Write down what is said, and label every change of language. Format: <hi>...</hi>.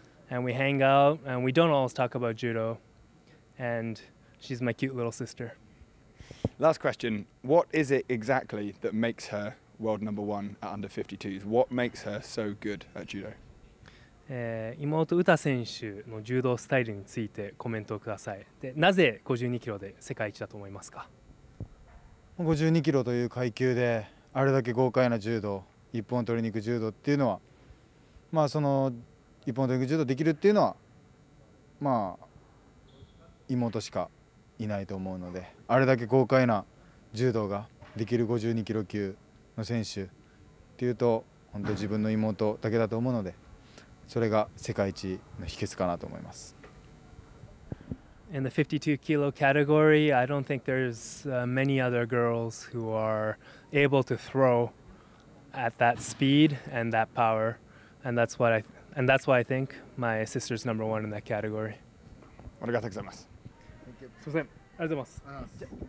<en>And we hang out, and we don't always talk about judo. And she's my cute little sister. Last question. What is it exactly that makes her world number one at under 52s? What makes her so good at judo?</en> <ja>妹、ウタ選手の柔道スタイルについてコメントをください。なぜ52キロで世界一だと思いますか? 52キロという階級であれだけ豪快な柔道、一本取りに行く柔道っていうのは、その一本取りに行く柔道できるっていうのはまあ妹しかいないと思うので、あれだけ豪快な柔道ができる52キロ級の選手っていうと、本当自分の妹だけだと思うので、それが世界一の秘訣かなと思います。</ja> <en>In the 52 kilo category, I don't think there's many other girls who are able to throw at that speed and that power, and that's what I and that's why I think my sister's number one in that category.</en> <ja>ありがとうございます。すいません。ありがとうございます。</ja>